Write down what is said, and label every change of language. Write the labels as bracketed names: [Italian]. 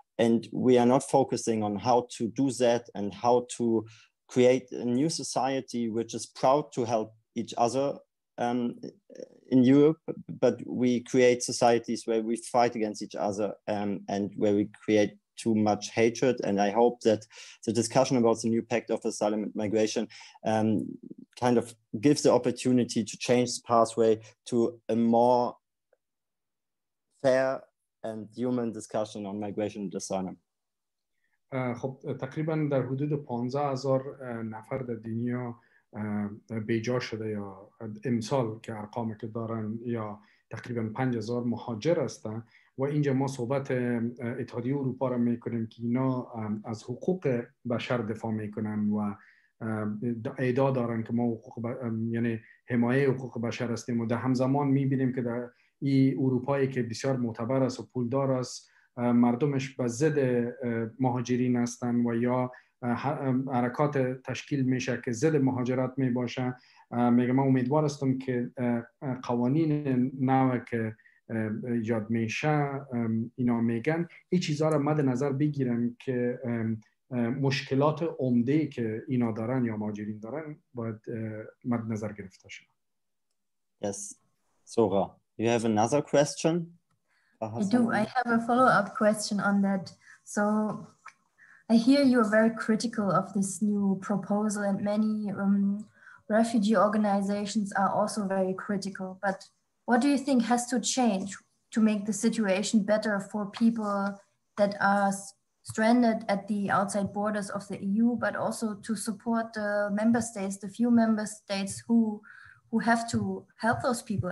[English] And we are not focusing on how to do that and how to create a new society which is proud to help each other in Europe, but we create societies where we fight against each other and where we create too much hatred. And I hope that the discussion about the new pact of asylum and migration kind of gives the opportunity to change the pathway to a more fair and human discussion on migration and asylum. [Persian] خب تقریبا در حدود 15,000 نفر در دنیا بیجا شده یا امسال که ارقام که دارن یا تقریبا 5,000 مهاجر هستن و اینجا ما صحبت اتحادیه اروپا را میکنیم که اینا از حقوق بشر دفاع میکنن و ادعا دارن که ما حقوق یعنی حمایه حقوق بشر هستیم و در همزمان میبینیم که در این اروپایی که بسیار معتبر است و پولدار است مردمش به ضد مهاجرین هستن و یا حرکات تشکیل میشه که ضد مهاجرت میباشه میگم من امیدوار هستم که قوانین نو که یاد میشه اینا میگن این چیزها را مد نظر بگیرن که مشکلات عمده که اینا دارن یا مهاجرین دارن باید مد نظر گرفته شه. [English] Yes. Zora, you have another question? I do. I have a follow-up question on that. So I hear you are very critical of this new proposal and many refugee organizations are also very critical. But what do you think has to change to make the situation better for people that are stranded at the outside borders of the EU, but also to support the member states, the few member states who have to help those people?